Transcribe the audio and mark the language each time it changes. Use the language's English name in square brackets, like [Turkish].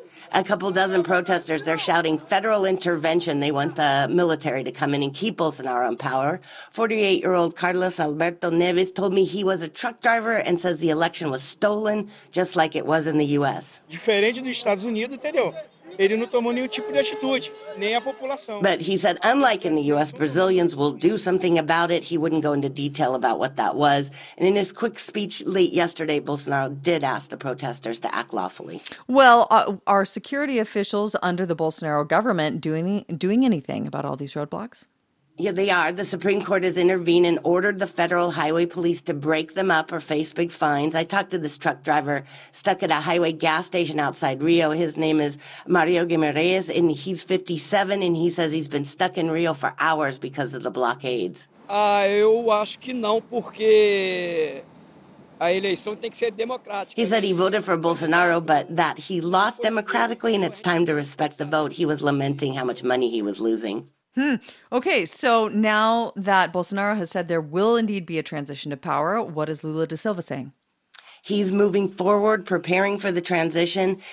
[English] A couple dozen protesters, they're shouting federal intervention. They want the military to come in and keep Bolsonaro in power. 48-year-old Carlos Alberto Neves told me he was a truck driver and says the election was stolen, just like it was in the U.S. [Portuguese] Diferente dos Estados Unidos, entendeu? Ele não tomou nenhum tipo de atitude, nem a população. [English] But he said, unlike in the U.S., Brazilians will do something about it. He wouldn't go into detail about what that was. And in his quick speech late yesterday, Bolsonaro did ask the protesters to act lawfully. Well, are security officials under the Bolsonaro government doing anything about all these roadblocks? Yeah, they are. The Supreme Court has intervened and ordered the Federal Highway Police to break them up or face big fines. I talked to this truck driver stuck at a highway gas station outside Rio. His name is Mario Guimarães, and he's 57, and he says he's been stuck in Rio for hours because of the blockades. [Portuguese] Eu acho que não, porque a eleição tem que ser democrática. [English] He said he voted for Bolsonaro, but that he lost democratically, and it's time to respect the vote. He was lamenting how much money he was losing. Okay, so now that Bolsonaro has said there will indeed be a transition to power, what is Lula da Silva saying? He's moving forward, preparing for the transition.